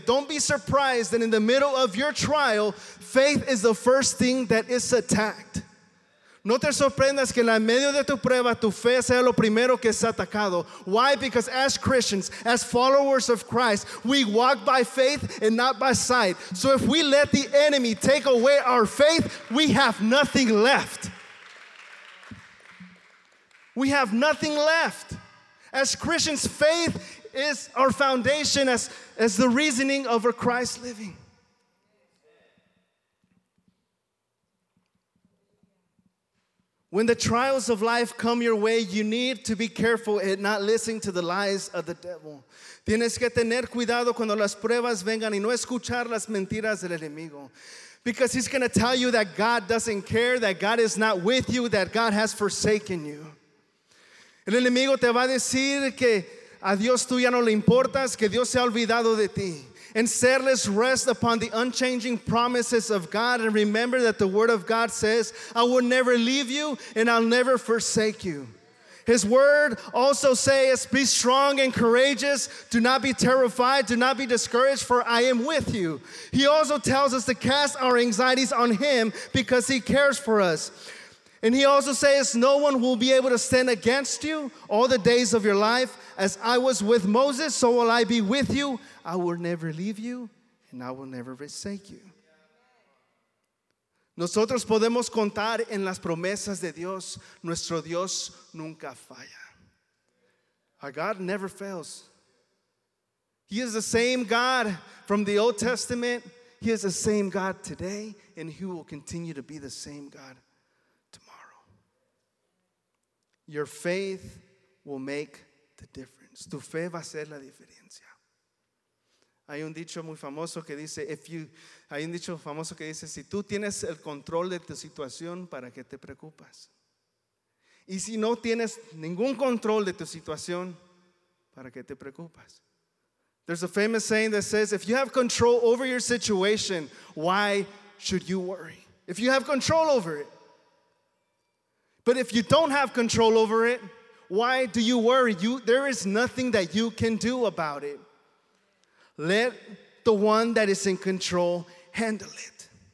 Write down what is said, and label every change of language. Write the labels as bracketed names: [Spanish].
[English] Don't be surprised that in the middle of your trial, faith is the first thing that is attacked. [Spanish] No te sorprendas que en el medio de tu prueba, tu fe sea lo primero que es atacado. [English] Why? Because as Christians, as followers of Christ, we walk by faith and not by sight. So if we let the enemy take away our faith, we have nothing left. We have nothing left. As Christians, faith is our foundation as the reasoning over Christ living. When the trials of life come your way, you need to be careful and not listen to the lies of the devil. [Spanish] Tienes que tener cuidado cuando las pruebas vengan y no escuchar las mentiras del enemigo. [English] Because he's going to tell you that God doesn't care, that God is not with you, that God has forsaken you. [Spanish] El enemigo te va a decir que a Dios tú ya no le importas, que Dios se ha olvidado de ti. [English] And say, let's rest upon the unchanging promises of God and remember that the word of God says, I will never leave you and I'll never forsake you. His word also says, be strong and courageous. Do not be terrified. Do not be discouraged, for I am with you. He also tells us to cast our anxieties on him because he cares for us. And he also says, no one will be able to stand against you all the days of your life. As I was with Moses, so will I be with you. I will never leave you, and I will never forsake you. [Spanish] Nosotros podemos contar en las promesas de Dios. Nuestro Dios nunca falla. [English] Our God never fails. He is the same God from the Old Testament. He is the same God today, and he will continue to be the same God. Your faith will make the difference. [Spanish] Tu fe va a ser la diferencia. Hay un dicho muy famoso que dice, si tú tienes el control de tu situación, ¿para qué te preocupas? Y si no tienes ningún control de tu situación, ¿para qué te preocupas? [English] There's a famous saying that says, if you have control over your situation, why should you worry? If you have control over it. But if you don't have control over it, why do you worry? There is nothing that you can do about it. Let the one that is in control handle it.